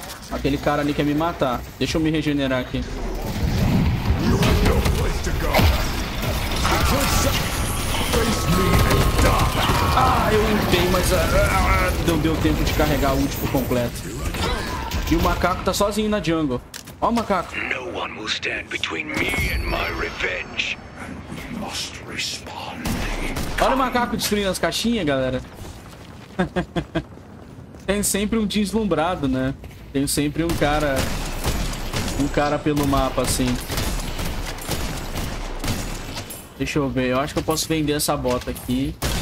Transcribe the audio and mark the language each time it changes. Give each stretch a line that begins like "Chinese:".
Portuguese: Aquele cara ali quer me matar. Deixa eu me regenerar aqui. Ah, eu limpei, mas não deu tempo de carregar o último completo. E o macaco tá sozinho na jungle. Ó o macaco.
English: No one will stand between me and my revenge. And we must respond.
Portuguese: Olha o macaco destruindo as caixinhas, galera. Tem sempre um deslumbrado, né? Tem sempre um cara. Um cara pelo mapa, assim. Deixa eu ver. Eu acho que eu posso vender essa bota aqui.